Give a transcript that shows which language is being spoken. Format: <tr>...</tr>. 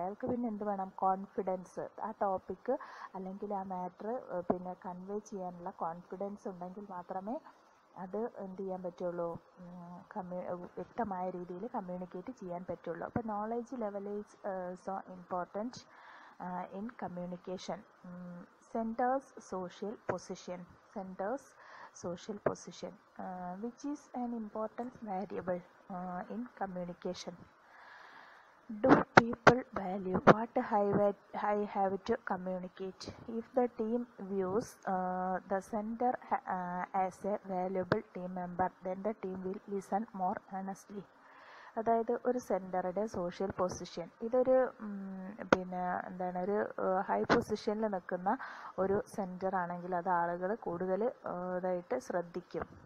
<ml>അയാൾക്ക് പിന്നെ എന്ത് വേണം, കോൺഫിഡൻസ്, ആ ടോപ്പിക്ക് അല്ലെങ്കിൽ ആ മാറ്റർ പിന്നെ കൺവേ ചെയ്യാനുള്ള കോൺഫിഡൻസ് ഉണ്ടെങ്കിൽ മാത്രമേ അത് എന്ത് ചെയ്യാൻ പറ്റുള്ളൂ, വ്യക്തമായ രീതിയിൽ കമ്മ്യൂണിക്കേറ്റ് ചെയ്യാൻ പറ്റുള്ളൂ.</ml> <en>അപ്പോൾ knowledge level is so important in communication. Sender's social position. Sender's social position which is an important variable in communication. Do people value what I have to communicate? If the team views the sender as a valuable team member, then the team will listen more earnestly.</en> <ml>അതായത് ഒരു സെൻഡറുടെ social position, ഇതൊരു പിന്നെ എന്താണ് ഒരു high പൊസിഷനിൽ നിൽക്കുന്ന ഒരു സെൻഡറാണെങ്കിൽ അത് ആളുകൾ കൂടുതൽ ഇതായിട്ട് ശ്രദ്ധിക്കും.</ml>